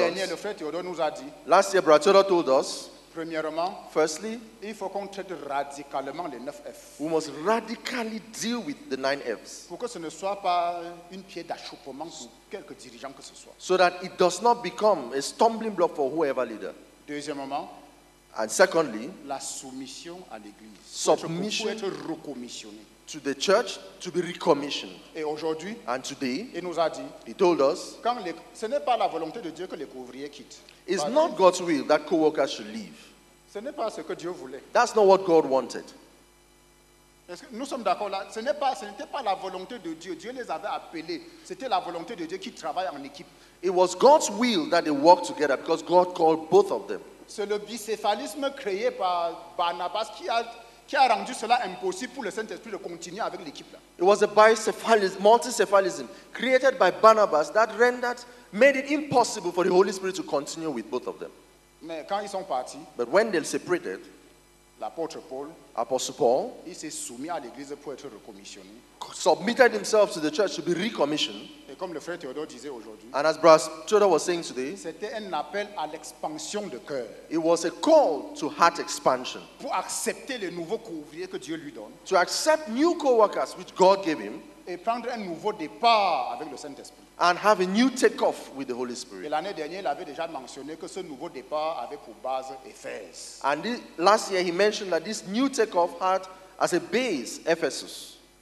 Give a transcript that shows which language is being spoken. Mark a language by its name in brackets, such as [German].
[French] L'année dernière, le frère Théodore nous a dit. [English] Last year, Brother Théodore told us. [French] Premièrement, [English] firstly, [French] il faut qu'on traite radicalement les 9 F. [English] We must radically deal with the 9 F's. [French] Pour que ce ne soit pas une pierre d'achoppement pour quelque dirigeant que ce soit. [English] So that it does not become a stumbling block for whoever leader. [French] Deuxièmement, [English] and secondly, [French] la soumission à l'église. [English] Submission [French] pour être recommissionné. [English] To the church to be recommissioned. [French] Et aujourd'hui, [English] and today, [French] il nous a dit, [English] he told us, [French] quand les, ce n'est pas la volonté de Dieu que les ouvriers quittent. [English] It's not God's will that co-workers should leave. [French] Ce n'est pas ce que Dieu voulait. [English] That's not what God wanted. [French] Est-ce que nous sommes d'accord là? Ce n'était pas la volonté de Dieu. Dieu les avait appelés. C'était la volonté de Dieu qui travaille en équipe. [English] It was God's will that they worked together because God called both of them. [French] C'est le bicéphalisme créé par Barnabas qui a rendu cela impossible pour le Saint-Esprit de continuer avec l'équipe là. [English] It was a bicéphalism, multicéphalism created by Barnabas that rendered made it impossible for the Holy Spirit to continue with both of them. [French] Mais quand ils sont partis, [English] but when they separated, [French] l'apôtre Paul, [English] Apostle Paul, [French] il s'est soumis à l'église pour être recommissionné, [English] submitted himself to the church to be recommissioned. [French] Et comme le frère Théodore disait aujourd'hui, [English] and as Brother Théodore was saying today, [French] c'était un appel à l'expansion de cœur. [English] It was a call to heart expansion. [French] Pour accepter les nouveaux co-ouvriers que Dieu lui donne. [English] To accept new co-workers which God gave him. [French] Et prendre un nouveau départ avec le Saint-Esprit. [English] And have a new takeoff with the Holy Spirit. [French] Et l'année dernière, il avait déjà mentionné que ce nouveau départ avait pour base Éphèse. [English] And this, last year, he mentioned that this new takeoff had as a base Ephesus.